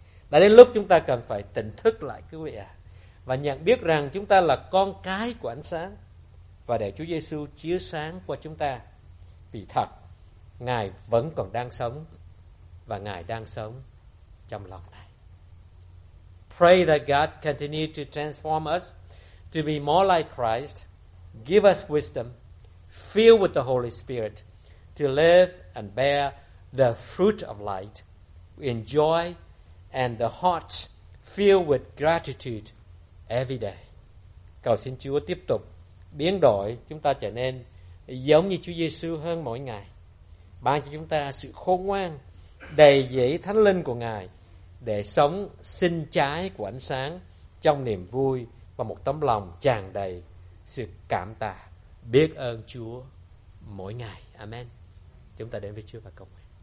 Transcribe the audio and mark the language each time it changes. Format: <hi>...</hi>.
<vi>Đã đến lúc chúng ta cần phải tỉnh thức lại quý vị ạ, và nhận biết rằng chúng ta là con cái của ánh sáng và để Chúa Giêsu chiếu sáng qua chúng ta. Vì thật, Ngài vẫn còn đang sống và Ngài đang sống trong lòng này.</vi> <en>Pray that God continue to transform us to be more like Christ, give us wisdom, fill with the Holy Spirit to live and bear the fruit of light in joy and the heart filled with gratitude every day.</en> <vi>Cầu xin Chúa tiếp tục biến đổi chúng ta trở nên giống như Chúa Giêsu hơn mỗi ngày. Ban cho chúng ta sự khôn ngoan, đầy dẫy Thánh Linh của Ngài để sống sinh trái của ánh sáng trong niềm vui và một tấm lòng tràn đầy sự cảm tạ, biết ơn Chúa mỗi ngày. Amen. Chúng ta đến với Chúa và cầu nguyện.</vi>